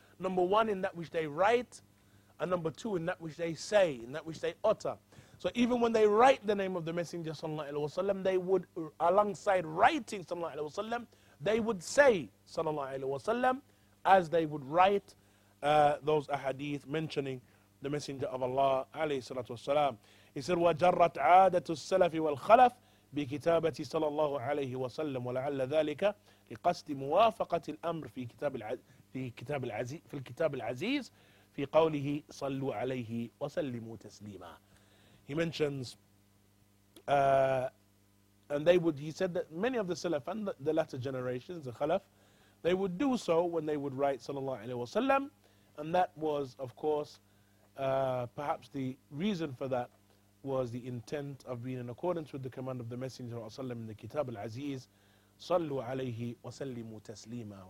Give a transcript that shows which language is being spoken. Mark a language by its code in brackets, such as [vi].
[en] Number one, in that which they write, and number two, in that which they say, in that which they utter. So even when they write the name of the Messenger Sallallahu Alaihi Wasallam, they would, alongside writing Sallallahu Alaihi Wasallam, they would say Sallallahu Alaihi Wasallam, as they would write those ahadith mentioning the Messenger of Allah Alayhi Salatu Wasallam. [ar] He said, وَجَرَّتْ عَادَةُ السَّلَفِ وَالْخَلَفِ بِكِتَابَةِ صَلَى اللَّهُ عَلَيْهِ وَسَلَّمُ وَلَعَلَّ ذَلِكَ لقصد موافقة الأمر في كتاب العزيز في قوله صلوا عليه وسلموا تسليما. [en] He mentions, and they would, he said that many of the Salaf and the latter generations, the Khalaf, they would do so when they would write Sallallahu Alaihi Wasallam, and that was, of course, perhaps the reason for that was the intent of being in accordance with the command of the Messenger in the Kitab al-Aziz, [ar] صلوا عليه وسلموا تسليما.